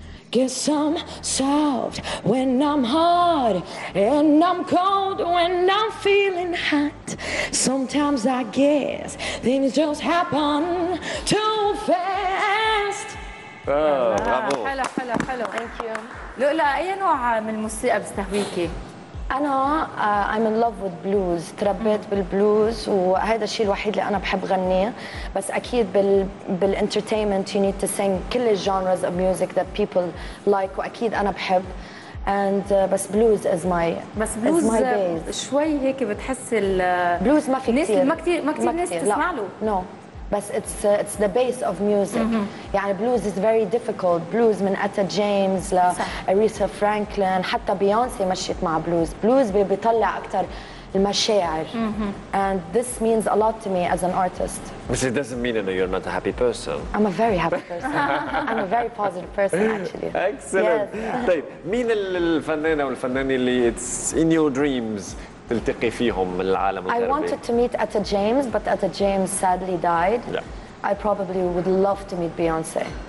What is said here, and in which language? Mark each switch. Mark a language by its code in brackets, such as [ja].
[en] Guess I'm soft when I'm hard, and I'm cold when I'm feeling hot. Sometimes I guess things just happen too fast. [ar] برافو. حلو حلو حلو. [en] Thank you. [ar] لولا أي نوع من الموسيقى بتستهويكي؟ أنا [en] I'm in love with blues. [ar] تربيت بالبلوز وهذا الشيء الوحيد اللي أنا بحب غنيه. بس أكيد [en] بالentertainment you need to sing [ar] كل [en] genres of music that people like، [ar] وأكيد أنا بحب. [en] And [ar] بس [en] blues is my [ar] بس [en] blues is my base. [ar] شوي هيك بتحس ال blues ما في ناس ما كتير ناس تسمع له. [en] No. [ar] بس [en] it's the base of music. [ar] يعني [en] blues is very difficult. [ar] blues من Etta James ل Aretha Franklin، حتى بيونسي مشيت مع blues. blues بيطلع أكتر المشاعر. [en] and this means a lot to me as an artist. but it doesn't mean that you're not a happy person. I'm a very happy person. I'm a very positive person actually. excellent. Yes. [ar] طيب مين الفنانة والفنان اللي [en] it's in your dreams [ar] تلتقي فيهم من العالم الغربي؟ [en] I wanted to meet Etta James but Etta James sadly died. Yeah. I probably would love to meet Beyonce.